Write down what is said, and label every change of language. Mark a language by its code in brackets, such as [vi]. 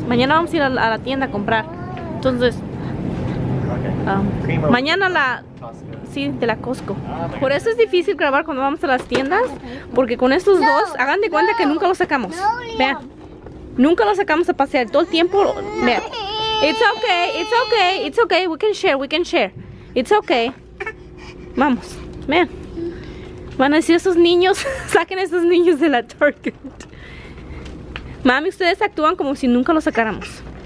[es] Mañana vamos a ir a la tienda a comprar. Entonces. Okay. Mañana la. Sí, de la Costco. Por eso es difícil grabar cuando vamos a las tiendas, porque con estos dos, hagan de cuenta que nunca los sacamos. Vean. Nunca lo sacamos a pasear, todo el tiempo. Mira. [en] It's okay, it's okay, it's okay, we can share, we can share. It's okay. [es] Vamos, vean. Van a decir esos niños, saquen a esos niños de la Target. Mami, ustedes actúan como si nunca lo sacáramos.